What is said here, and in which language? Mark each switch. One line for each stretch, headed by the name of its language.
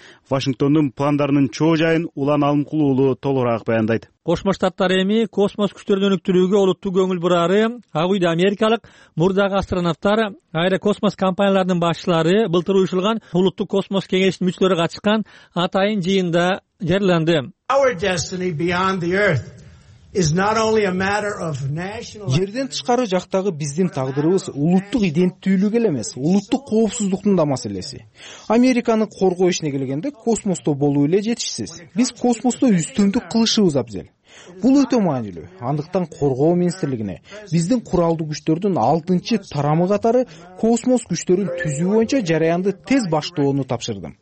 Kyrgyz: Вашингтондун пландарынын чоо жайын Улан Алымкулу уулу толугураак баяндайт. Кошмо Штаттар эми космос күчтөрүн өнүктүрүүгө олуттуу көңүл бурары Ак Үйдө америкалык мурдагы астронавттар, аэрокосмос компанияларынын башчылары, былтыр уюштурулган улуттук космос кеңештин мүчөлөрү катышкан атайын жыйында жарыяланды.
English: Our destiny beyond the earth. Is not only a matter of national
Kyrgyz: Жерден тышкары жактагы биздин тагдырыбыз улуттук идентүүлүк эле эмес, улуттук коопсуздуктун да маселеси. Американы коргоо ишине келгенде космосто болуу эле жетишсиз. Биз космосто үстөмдүк кылышыбыз абзел. Бул өтө маанилүү. Андыктан коргоо министрлигине биздин куралдуу күчтөрдүн 6-чы тарамы катары космос күчтөрүн түзүү боюнча жараянды тез баштоону тапшырдым.